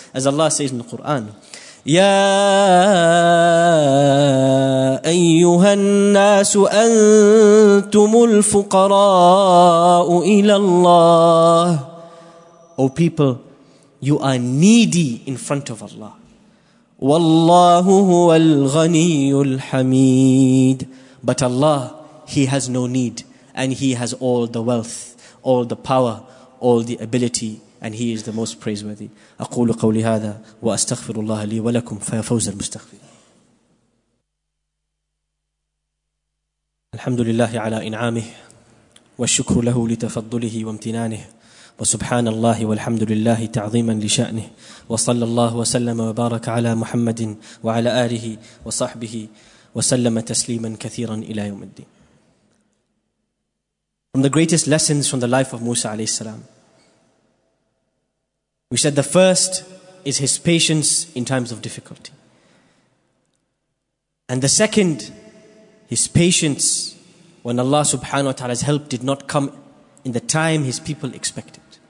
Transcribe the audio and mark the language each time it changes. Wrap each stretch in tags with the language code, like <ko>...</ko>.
<en>As Allah says in the Quran,</en> <ar>يَا أَيُّهَا النَّاسُ أَنْتُمُ الْفُقَرَاءُ إِلَى اللَّهِ.</ar> <en>O people, you are needy in front of Allah.</en> <ar>وَاللَّهُ هُوَ الْغَنِيُّ الْحَمِيدُ.</ar> <en>But Allah, He has no need, and He has all the wealth, all the power, all the ability, and He is the most praiseworthy.</en> <ar>أقول قولي هذا وأستغفر الله لي ولكم فيفوز المستغفر. الحمد لله على إنعامه والشكر له لتفضله وامتنانه وسبحان الله والحمد لله تعظيما لشأنه وصلى الله وسلم وبارك على محمد وعلى آله وصحبه وسلم تسليما كثيرا إلى يوم الدين.</ar> <en>From the greatest lessons from the life of Musa alayhi salam, we said the first is his patience in times of difficulty. And the second, his patience when Allah subhanahu wa ta'ala's help did not come in the time his people expected.</en>